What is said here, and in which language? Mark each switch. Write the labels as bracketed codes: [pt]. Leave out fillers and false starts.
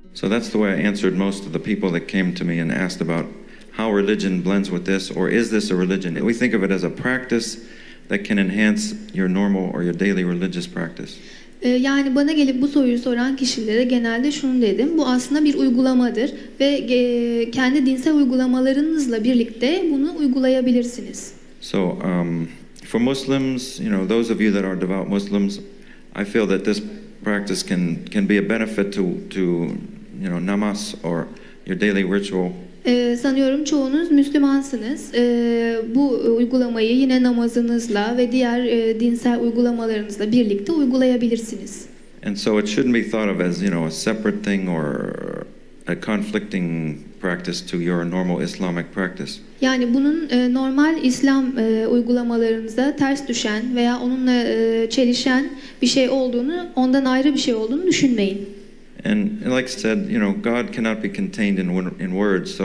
[en] That's the way I answered most of the people that came to me and asked about how religion blends with this, or is this a religion? We think of it as a practice that can enhance your normal or your daily religious practice. [tr] Yani bana gelip bu soruyu soran kişilere genelde şunu dedim. Bu aslında bir uygulamadır ve kendi dinsel uygulamalarınızla birlikte bunu uygulayabilirsiniz. [en] So, for Muslims, you know, those of you that are devout Muslims, I feel that this practice can be a benefit to you know, namaz or your daily ritual. [tr] Sanıyorum çoğunuz Müslümansınız. Bu uygulamayı yine namazınızla ve diğer dinsel uygulamalarınızla birlikte uygulayabilirsiniz. [en] And so it shouldn't be thought of as, you know, a separate thing or a conflicting practice to your normal Islamic practice. [tr] Yani bunun normal İslam uygulamalarınıza ters düşen veya onunla çelişen bir şey olduğunu, ondan ayrı bir şey olduğunu düşünmeyin. [en] And like I said, you know, God cannot be contained in words.